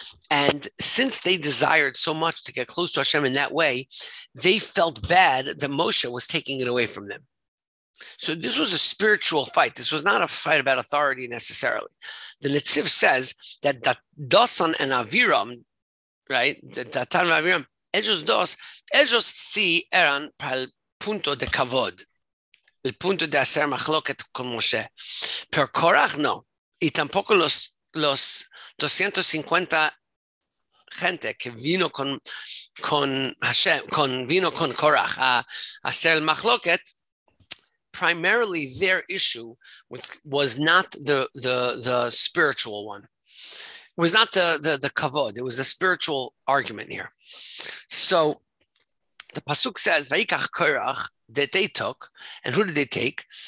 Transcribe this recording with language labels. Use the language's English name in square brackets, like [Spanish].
[English] And since they desired so much to get close to Hashem in that way, they felt bad that Moshe was taking it away from them. So this was a spiritual fight. This was not a fight about authority necessarily. The Netziv says that Dasan and Aviram, right? [Spanish] The Datan and Aviram, ellos dos, ellos sí eran para el punto de kavod, el punto de hacer machloket con Moshe. Pero Korach no, y tampoco los 250 gente que vino con Hashem, vino con Korach a hacer el machloket. [English] Primarily, their issue was not the spiritual one. It was not the kavod. It was the spiritual argument here. So the pasuk says, [Hebrew] "Vayikach Korach," [English] that they took, and who did they take?